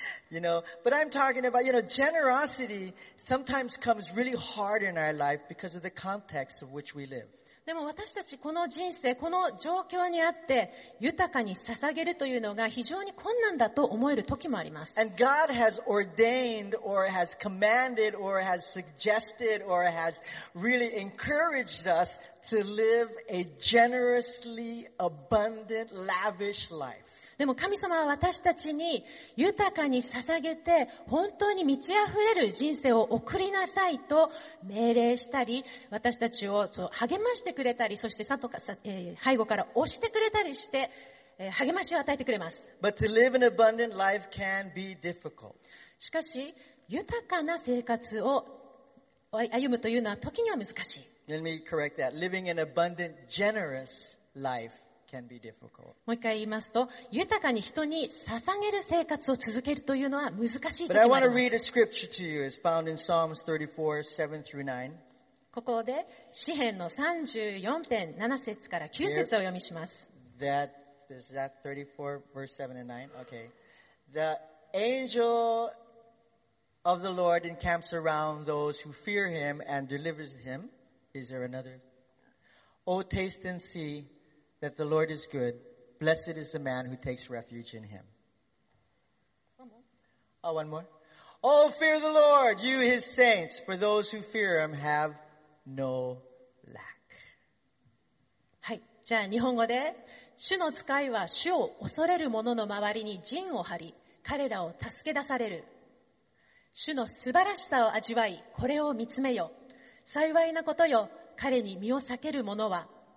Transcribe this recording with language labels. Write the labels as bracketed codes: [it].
[en] You know, but I'm talking about, you know, generosity sometimes comes really hard in our life because of the context of which we live. [ja] でも私たちこの人生、この状況にあって豊かに捧げるというのが非常に困難だと思える時もあります。 [en] And God has ordained or has commanded or has suggested or has really encouraged us to live a generously abundant, lavish life. [ja] でも神様は私たちに豊かに捧げて本当に満ち溢れる人生を送りなさいと命令したり、私たちを励ましてくれたり、そして背後から押してくれたりして励ましを与えてくれます。 [en] But to live an abundant life can be difficult. [ja] しかし豊かな生活を歩むというのは時には難しい。 [en] Let me correct that. Living an abundant, generous lifeCan be difficult. [ja] もう一回言いますと、豊かに人に捧げる生活を続けるというのは難しい時もあります。 [en] But I want to read a scripture to you. It's found in Psalms 34:7-9. [ja] ここで詩篇の34篇7節から9節を読みします。 [en] Is that 34:7-9? Okay. The angel of the Lord encamps around those who fear him and delivers him. Is there another? Oh, taste and see. That the Lord is good. Blessed is the man who takes refuge in him. One more. Oh, fear the Lord, you his saints, for those who fear him have no lack. [ja] はい、じゃあ日本語で、主の使いは主を恐れる者の周りに陣を張り、彼らを助け出される。主の素晴らしさを味わい、これを見つめよ。幸いなことよ、彼に身を避ける者は。